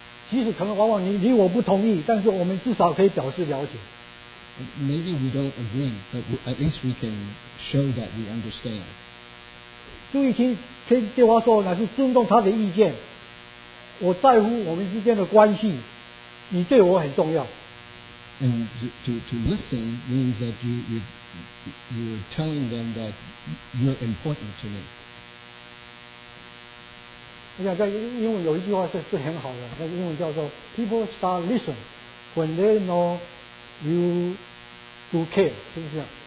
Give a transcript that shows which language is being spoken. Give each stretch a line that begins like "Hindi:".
Chinese: 即使可能往往你我不同意，但是我们至少可以表示了解。
English: Maybe we don't agree, but at least we can show that we understand.
Chinese: 注意听，听对话说，乃是尊重他的意见。我在乎我们之间的关系，你对我很重要。
English: And to listen means that you're telling them that you're important to me.
Chinese: 我想在英文有一句话是很好的，那英文叫做
English: "People start listen when they know." You do care,
Chinese: 是不是